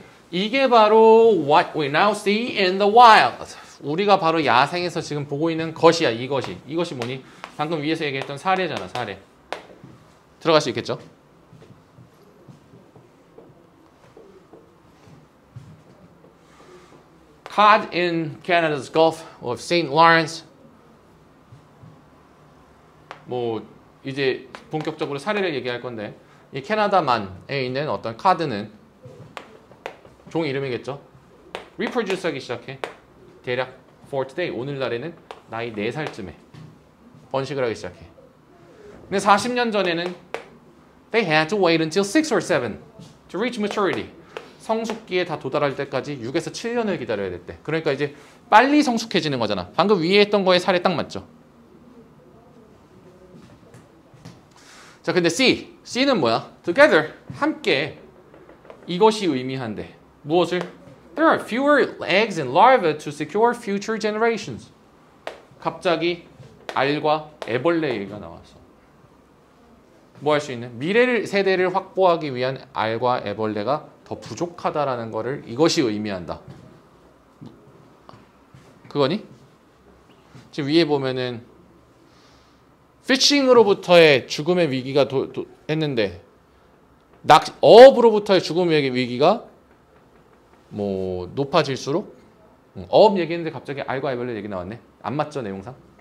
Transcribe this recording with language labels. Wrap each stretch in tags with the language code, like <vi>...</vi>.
<ko>이게 바로</ko> <en>what we now see in the wild.</en> <ko>우리가 바로 야생에서 지금 보고 있는 것이야. 이것이. 이것이 뭐니? 방금 위에서 얘기했던 사례잖아. 사례. 들어갈 수 있겠죠? 카드</ko> <en>in Canada's Gulf of St. Lawrence.</en> <ko>뭐 이제 본격적으로 사례를 얘기할 건데 이 캐나다만에 있는 어떤 카드는 종 이름이겠죠? Reproduce 하기 시작해. 대략</ko> <en>for today,</en> <ko>오늘날에는 나이 4살쯤에 번식을 하기 시작해. 근데 40년 전에는</ko> <en>They had to wait until 6 or 7 to reach maturity.</en> <ko>성숙기에 다 도달할 때까지 6에서 7년을 기다려야 됐대. 그러니까 이제 빨리 성숙해지는 거잖아. 방금 위에 했던 거에 사례 딱 맞죠? 자, 근데 C. C는 뭐야? Together, 함께 이것이 의미한대. 무엇을?</ko> <en>There are fewer eggs and larvae to secure future generations.</en> <ko>갑자기 알과 애벌레 얘기가 나왔어. 뭐 할 수 있는? 미래 세대를 확보하기 위한 알과 애벌레가 더 부족하다라는 거를 이것이 의미한다. 그거니? 지금 위에 보면은 피싱으로부터의 죽음의 위기가 했는데 어업으로부터의 죽음의 위기가 뭐 높아질수록 어업 얘기했는데 갑자기 알과 애벌레 얘기 나왔네. 안 맞죠, 내용상?</ko>